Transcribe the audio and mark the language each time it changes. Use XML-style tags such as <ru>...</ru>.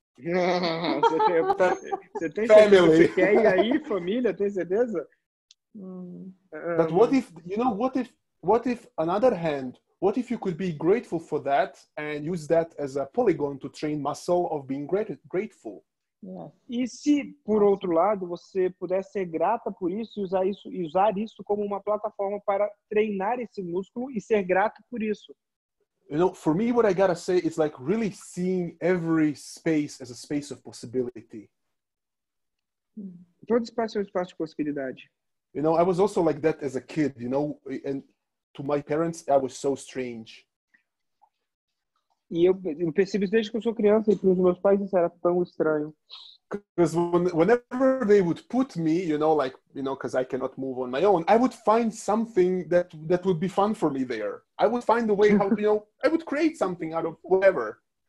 <pt>Você tem family. Certeza que quer ir aí, família? Tem certeza?</pt> <en>But what if, you know, what if, on other hand, what if you could be grateful for that and use that as a polygon to train muscle of being grateful?</en> <pt>Yeah. E se, por outro lado, você pudesse ser grata por isso e usar isso como uma plataforma para treinar esse músculo e ser grato por isso?</pt> <en>You know, for me, what I gotta say is like really seeing every space as a space of possibility.</en> <pt>Todo espaço é um espaço de possibilidade.</pt> <en>You know, I was also like that as a kid, you know, and to my parents, I was so strange.</en> <pt>E eu percebi isso desde que eu sou criança, e para os meus pais isso era tão estranho.</pt> <en>Because whenever they would put me, you know, because I cannot move on my own, I would find something that would be fun for me there. I would find a way how, you know, I would create something out of whatever.</en>